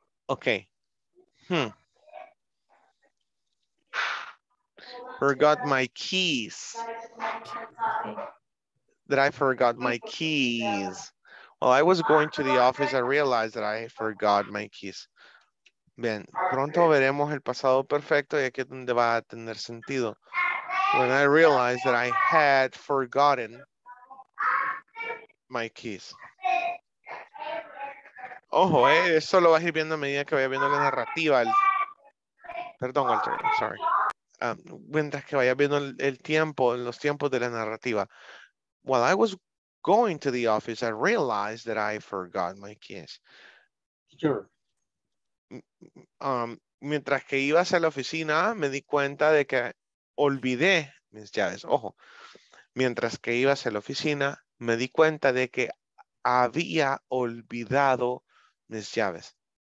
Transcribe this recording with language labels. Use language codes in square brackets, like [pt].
[en] Okay. Forgot my keys. That I forgot my keys. Well, I was going to the office, I realized that I forgot my keys. [es] Bien, pronto veremos el pasado perfecto y aquí es donde va a tener sentido. [en] When I realized that I had forgotten my keys. [es] Ojo, eso lo vas a ir viendo a medida que vaya viendo la narrativa. Perdón, Walter, sorry. Mientras que vaya viendo el tiempo, los tiempos de la narrativa. [en] While I was going to the office, I realized that I forgot my keys. Sure. [es] Mientras que iba hacia la oficina, me di cuenta de que olvidé mis llaves. Ojo. Mientras que iba hacia la oficina, me di cuenta de que había olvidado mis llaves.